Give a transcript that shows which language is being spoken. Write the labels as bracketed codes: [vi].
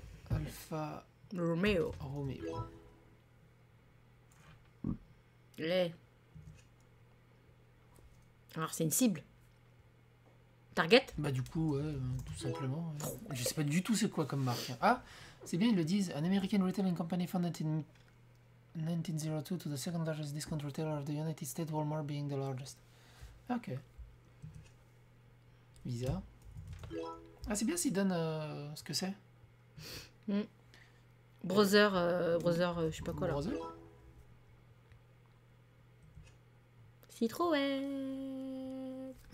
[fr] Alfa Romeo. Romeo. Les. Alors, c'est une cible. Target. Bah, du coup, tout simplement. Je sais pas du tout c'est quoi comme marque. Ah, c'est bien, ils le disent. [en] An American Retailing Company founded in 1902 to the second largest discount retailer of the United States, Walmart being the largest. Ok. Visa. [fr] Ah, c'est bien s'ils donnent ce que c'est. Mm. Brother, je sais pas quoi là. Brother. Citroën.